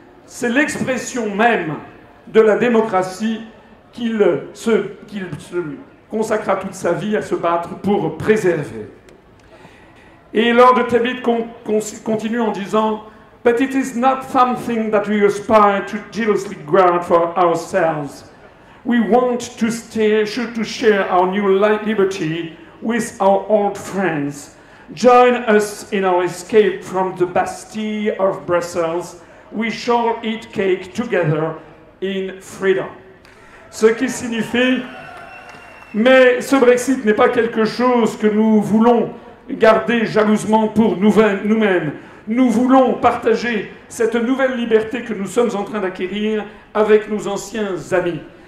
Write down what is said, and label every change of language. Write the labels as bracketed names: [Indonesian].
[French] C'est l'expression même de la démocratie qu'il se consacra toute sa vie à se battre pour préserver. » Et Lord Tabet continue en disant « [English] But it is not something that we aspire to jealously guard for ourselves. We want to share our new liberty with our old friends. Join us in our escape from the Bastille of Brussels. We shall eat cake together in freedom. [French] » Ce qui signifie « Mais ce Brexit n'est pas quelque chose que nous voulons garder jalousement pour nous-mêmes. Nous voulons partager cette nouvelle liberté que nous sommes en train d'acquérir avec nos anciens amis.